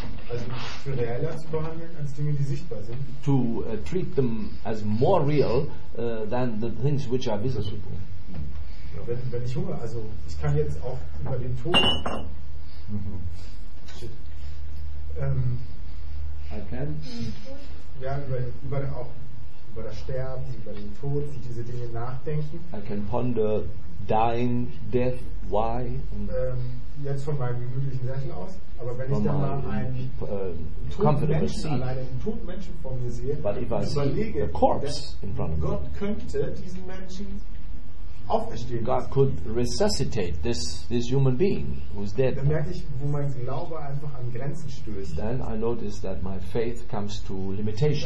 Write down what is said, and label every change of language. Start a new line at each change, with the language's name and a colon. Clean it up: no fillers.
German: Also für realer zu behandeln als Dinge, die sichtbar sind.
English: To treat them as more real than the things which are visible.
German: Wenn ich Hunger, also ich kann jetzt auch über den Tod. Mm-hmm.
English: I can.
German: Ja, über auch. Über das Sterben, über den Tod, wie diese Dinge nachdenken.
English: I can ponder dying, death, why?
German: Jetzt von meinem gemütlichen Sessel aus, aber wenn ich dann mal einen toten Menschen vor mir sehe,
English: but if I
German: überlege, Gott könnte diesen Menschen auferstehen.
English: God could resuscitate this human being who's dead.
German: Dann merke ich, wo mein Glaube einfach an Grenzen stößt.
English: Then I notice that my faith comes to limitations.